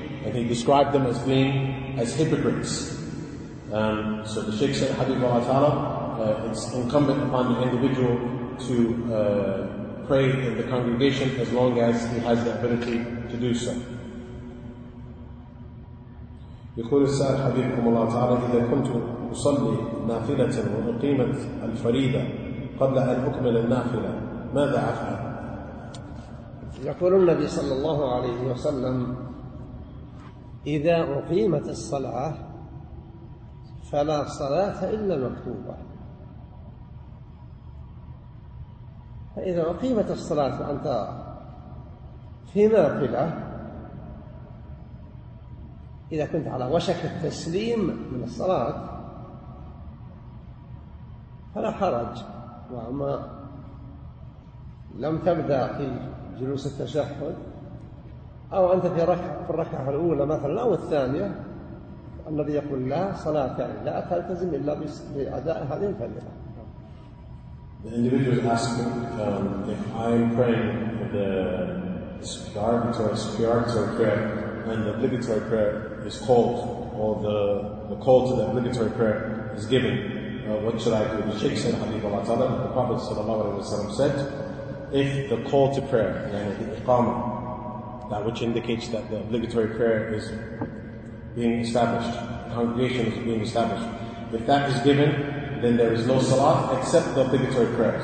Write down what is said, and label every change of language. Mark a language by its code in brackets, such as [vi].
[en] And he described them as being as hypocrites. So the Shaykh said, Habib al-Atah, it's incumbent upon the individual to pray in the congregation as long as he has the ability to do so. [ar] يقول السائل حبيبكم الله تعالى إذا كنت أصلي نافلة وأقيمت الفريضة قبل أن أكمل النافلة ماذا أفعل؟ يقول النبي صلى الله عليه وسلم إذا أقيمت الصلاة فلا صلاة إلا مكتوبة. فإذا أقيمت الصلاة فأنت في نافلة، إذا كنت على وشك التسليم من الصلاة فلا حرج، وما لم تبدأ في جلوس التشهد أو أنت في الركعة الأولى مثلا أو الثانية، الذي يقول لا صلاة يعني لا تلتزم إلا بأداء هذه الفريضة. [en] The individual is asking, if I am praying the obligatory prayer and the obligatory prayer is called, or the call to the obligatory prayer is given, what should I do? The Shaykh said, Habib al-Atah, the Prophet sallallahu alayhi wa sallam said, if the call to prayer, yani the iqamah, that which indicates that the obligatory prayer is being established, the congregation is being established, if that is given, then there is no salat except the obligatory prayer.